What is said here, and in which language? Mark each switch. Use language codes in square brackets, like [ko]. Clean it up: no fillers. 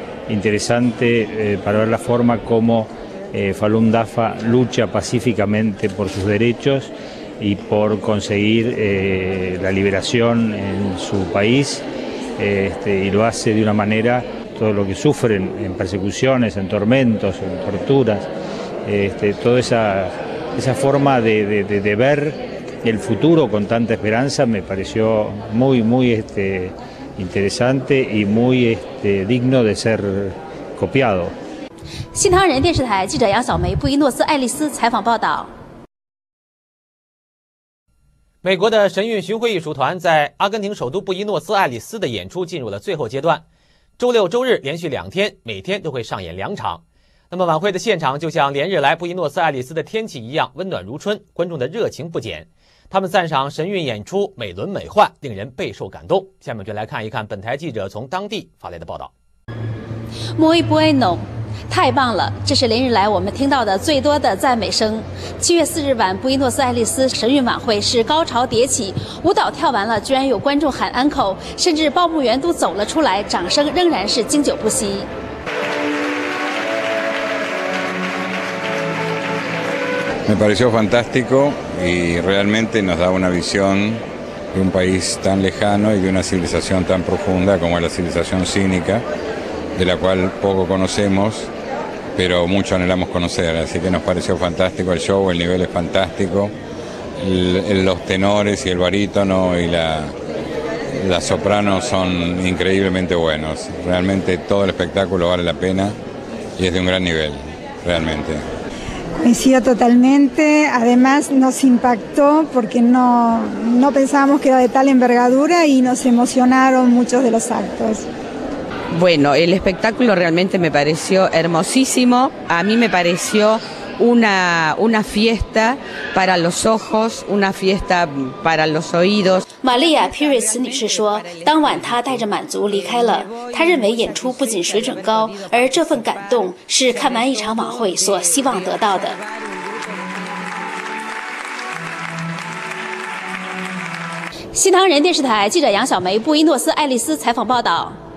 [es] interesante para ver la forma como Falun Dafa lucha pacíficamente por sus derechos y por conseguir la liberación en su país y lo hace de una manera, todo lo que sufren en persecuciones, en tormentos, en torturas, toda esa esa forma de ver el futuro con tanta esperanza me pareció muy, muy interesante y muy digno de ser copiado. [zh] 新唐人电视台记者杨小梅、布宜诺斯艾利斯采访报道。美国的神韵巡回艺术团在阿根廷首都布宜诺斯艾利斯的演出进入了最后阶段，周六周日连续两天，每天都会上演两场。那么晚会的现场就像连日来布宜诺斯艾利斯的天气一样温暖如春，观众的热情不减，他们赞赏神韵演出美轮美奂，令人备受感动。下面就来看一看本台记者从当地发来的报道。 [es] Muy bueno， [zh] 太棒了，这是连日来我们听到的最多的赞美声。 7月4日晚布宜诺斯艾利斯神韵晚会是高潮迭起，舞蹈跳完了居然有观众喊 uncle， 甚至报幕员都走了出来，掌声仍然是经久不息。 [es] Me pareció fantástico y realmente nos da una visión de un país tan lejano y de una civilización tan profunda como es la civilización cínicade la cual poco conocemos, pero mucho anhelamos conocer. Así que nos pareció fantástico el show, el nivel es fantástico. Los tenores y el barítono y la soprano son increíblemente buenos. Realmente todo el espectáculo vale la pena y es de un gran nivel, realmente. Coincido totalmente. Además nos impactó porque no pensábamos que era de tal envergadura y nos emocionaron muchos de los actos. Bueno, el espectáculo realmente me pareció hermosísimo. A mí me pareció una fiesta para los ojos, una fiesta para los oídos. [zh] María Pires 女士说，当晚她带着满足离开了。她认为演出不仅水准高，而这份感动是看完一场晚会所希望得到的。新唐人电视台记者杨小梅，布宜诺斯艾利斯采访报道。